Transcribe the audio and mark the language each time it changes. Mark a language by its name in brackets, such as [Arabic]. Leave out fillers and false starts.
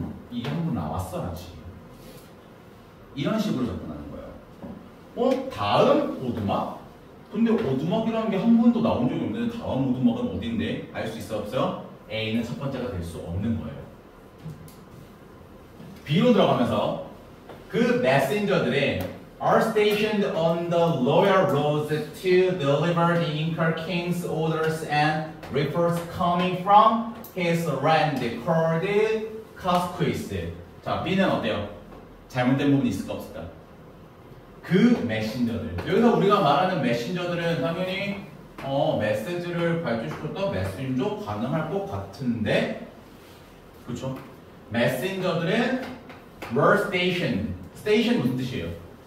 [Korean] 이게 한번 나왔어라지. 이런 식으로 접근하는 거예요. 다음 오두막? 근데 오두막이라는 게 한 번도 나온 적이 없는데 다음 오두막은 어딘데? 알 수 있어 없어요? A는 첫 번째가 될 수 없는 거예요. B로 들어가면서 그 메신저들의 [English] are stationed on the royal roads to deliver the Incar king's orders and reports coming from his land called Casquis. [Korean] 자, B는 어때요? 잘못된 부분이 있을까 없을까? 그 메신저들. 여기서 우리가 말하는 메신저들은 당연히 메시지를 발주시켰던 메신저 가능할 것 같은데, 그렇죠? 메신저들은 [English] were stationed. [Korean] Station 무슨 뜻이에요?